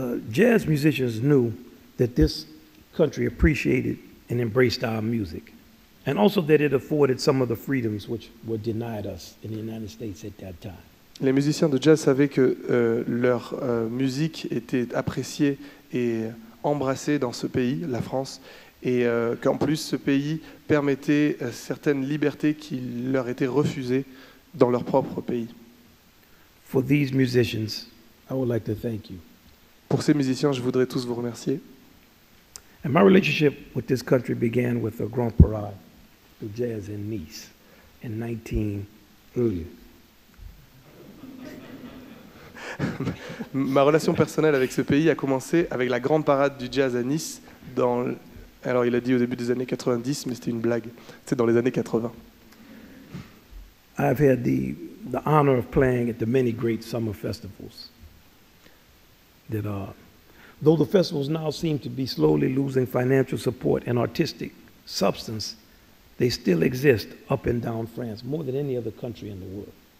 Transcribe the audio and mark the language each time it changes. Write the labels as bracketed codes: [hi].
[en] Jazz musicians knew that this country appreciated and embraced our music, and also that it afforded some of the freedoms which were denied us in the United States at that time. [fr] Les musiciens de jazz savaient que leur musique était appréciée et embrassée dans ce pays, la France, et qu'en plus ce pays permettait certaines libertés qui leur étaient refusées dans leur propre pays. [en] For these musicians, I would like to thank you. [fr] Pour ces musiciens, je voudrais tous vous remercier. [en] And my relationship with this country began with the Grand Parade de Jazz in Nice in 19... [fr] Ma relation personnelle avec ce pays a commencé avec la Grande Parade du Jazz à Nice dans... Alors, il a dit au début des années 90, mais c'était une blague. C'est dans les années 80. [en] I've had the honor of playing at the many great summer festivals. That though the festivals now seem to be slowly losing financial support and artistic substance, they still exist up and down France more than any other country in the world.